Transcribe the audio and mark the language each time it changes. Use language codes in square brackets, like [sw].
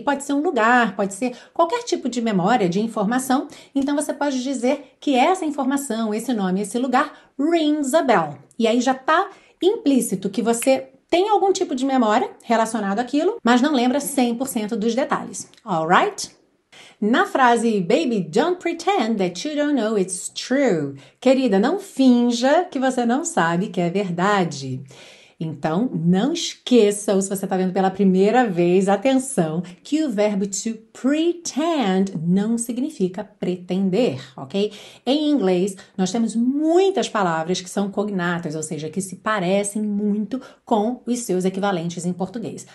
[pt] Pode ser um lugar, pode ser qualquer tipo de memória, de informação. Então, você pode dizer que essa informação, esse nome, esse lugar, rings a bell. E aí já está implícito que você tem algum tipo de memória relacionado àquilo, mas não lembra 100% dos detalhes, alright? Na frase, [en] baby, don't pretend that you don't know it's true. [pt] Querida, não finja que você não sabe que é verdade. Então, não esqueça, ou se você está vendo pela primeira vez, atenção, que o verbo to pretend não significa pretender, ok? Em inglês, nós temos muitas palavras que são cognatas, ou seja, que se parecem muito com os seus equivalentes em português.